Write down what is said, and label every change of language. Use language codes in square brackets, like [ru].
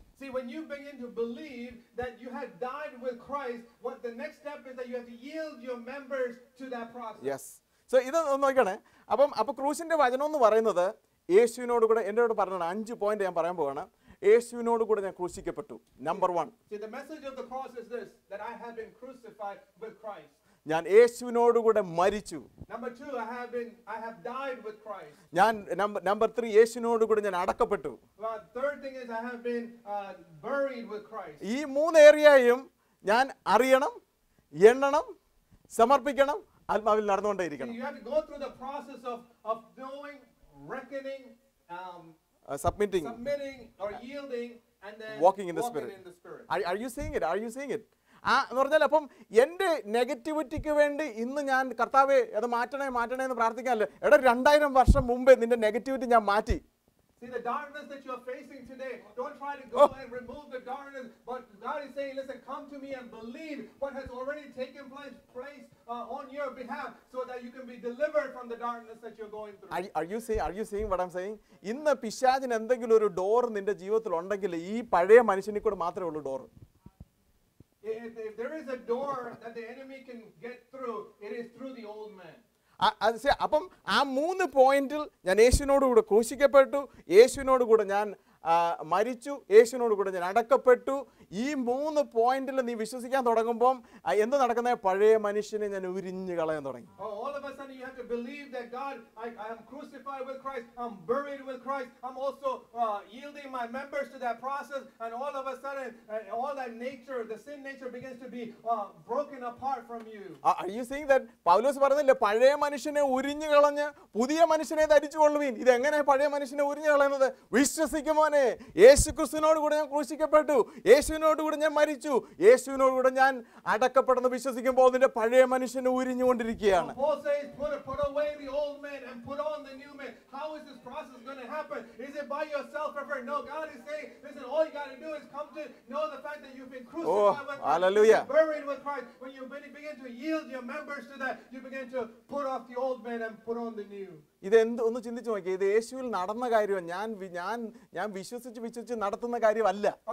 [en] See, when you begin to believe that you have died with Christ, what the next step is that you have to yield your members to that process. Yes. So [ml] ഇത് നോക്കണേ. അപ്പൊ ക്രൂശിന്റെ വചനം എന്ന് പറയുന്നത് യേശുവിനോട് കൂടെ എന്റെ കൂടെ പറഞ്ഞ അഞ്ച് പോയിന്റ് ഞാൻ പറയാൻ പോവാണ്. യേശുവിനോട് കൂടെ ഞാൻ ക്രൂശിക്കപ്പെട്ടു. Number 1. [en] See, the message of the cross is this, that I have been crucified with Christ. [ml] ഞാൻ യേശുവിനോടുകൂടെ മരിച്ചു. [en] Number 2, I have died with Christ. [ml] ഞാൻ നമ്പർ 3, യേശുവിനോടുകൂടെ ഞാൻ അടക്കപ്പെട്ടു. [en] The third thing is I have been buried with Christ. [ml] ഈ മൂന്ന് ഏരിയയും ഞാൻ അറിയണം, എണ്ണണം, സമർപ്പിക്കണം, ആത്മാവിൽ നടന്നുകൊണ്ടേയിരിക്കണം. [en] You have to go through the process of knowing, reckoning, submitting or yielding and then walking in the spirit. Are you seeing it? [ml] ആ എന്ന് പറഞ്ഞാൽ അപ്പം എൻ്റെ നെഗറ്റിവിറ്റിക്ക് വേണ്ടി ഇന്ന് ഞാൻ കർത്താവേ അത് മാറ്റണേ എന്ന് പ്രാർത്ഥിക്കാനല്ലേ. എടാ 2000 വർഷം മുമ്പേ നിന്റെ നെഗറ്റിവിറ്റി ഞാൻ മാറ്റി. [en] See, the darkness that you are facing today, don't try to go and remove the darkness, but God is saying, listen, come to me and believe what has already taken place on your behalf so that you can be delivered from the darkness that you're going through. Are you saying what I'm saying? [ml] ഇന്ന് പിശാചിന് എന്തെങ്കിലും ഒരു door നിന്റെ ജീവിതത്തിൽ ഉണ്ടെങ്കിൽ ഈ പഴയ മനുഷ്യനെ കൂടെ മാത്രമേ ഉള്ളൂ door. [en] If there is a door that the enemy can get through, it is through the old man. [ml] അപ്പം ആ മൂന്ന് പോയിന്റിൽ ഞാൻ യേശുവിനോട് കൂടെ ക്രൂശിക്കപ്പെട്ടു, യേശുവിനോട് കൂടെ ഞാൻ മരിച്ചു, യേശുവിനോട് കൂടെ ഞാൻ അടക്കപ്പെട്ടു. ഈ മൂന്ന് പോയിന്റിൽ നീ വിശ്വസിക്കാൻ തുടങ്ങുമ്പോൾ എന്ത് നടക്കുന്ന പഴയ മനുഷ്യനെ ഞാൻ ഉരിഞ്ഞു കളയാൻ തുടങ്ങി. [en] All of a sudden you have to believe that God, I am crucified with Christ, I'm buried with Christ, I'm also yielding my members to that process, and all of a sudden all that nature, the sin nature begins to be broken apart from you. Are you saying that [ml] Paulus പറഞ്ഞില്ലേ പഴയ മനുഷ്യനെ ഉരിഞ്ഞു കളഞ്ഞു പുതിയ മനുഷ്യനെ ധരിച്ചു കൊള്ളുവിൻ. ഇത് എങ്ങനെയാണ് പഴയ മനുഷ്യനെ ഉരിഞ്ഞു കളയുന്നത്? വിശ്വസിക്കുമോനെ, യേശുക്രിസ്തുവിനോട് കൂടെ ഞാൻ ക്രൂശിക്കപ്പെട്ടു, യേശുവിനോട് കൂടെ ഞാൻ മരിച്ചു, യേശുവിനോട് കൂടെ ഞാൻ അടക്കപ്പെടുന്നു വിശ്വസിക്കുമ്പോൾ നിന്റെ പഴയ മനുഷ്യനെ ഉരിഞ്ഞുകൊണ്ടിരിക്കുകയാണ്. [en] Paul says, put away the old man and put on the new man. How is this process going to happen? Is it by your self-effort? No, God is saying, listen, all you got to do is come to know the fact that you've been crucified with Christ. Hallelujah. Buried with Christ. When you begin to yield your members to that, you begin to put off the old man and put on the new. [ml] ഇതെന്ത് ഒന്ന് ചിന്തിച്ചു നോക്കിയാൽ ഇത് യേശുവിൽ നടന്ന കാര്യമാണ്, ഞാൻ വിശ്വസിച്ച് വിശ്വസിച്ച് നടത്തുന്ന കാര്യമല്ല.